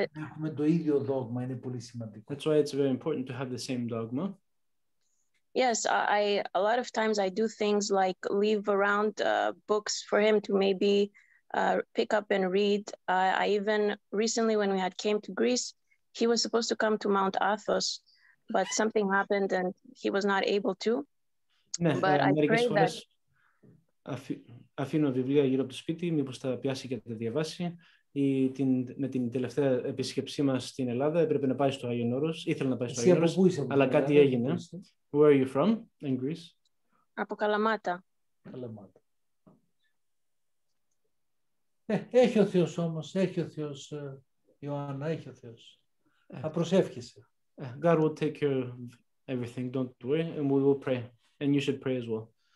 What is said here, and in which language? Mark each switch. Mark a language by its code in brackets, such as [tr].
[el] Έχουμε το ίδιο δόγμα, είναι πολύ σημαντικό. [en] That's why it's very important to have the same dogma. Yes, I a lot of times I do things like leave around books for him to maybe pick up and read. I even recently when we had came to Greece, he was supposed to come to Mount Athos, but something happened and he was not able to. [el] Ναι, [en] but I [el] μερικές [en] pray [el] φορές [en] that... [el] αφήνω βιβλία γύρω από το σπίτι, μήπως τα πιάσει και τα διαβάσει. Με την τελευταία επίσκεψή μας στην Ελλάδα, έπρεπε να πάει στο Άγιον Όρος. Ήθελα να πάει στο Άγιον Όρος, αλλά κάτι έγινε. [en] Where are you from in Greece? [el] Από Καλαμάτα. Καλαμάτα. Έχει ο Θεός όμως, έχει ο Θεός, Ιωάννα, έχει ο Θεός. Θα προσεύχεσαι. [en] God will take care of everything, don't worry, and we will pray, and you should pray as well.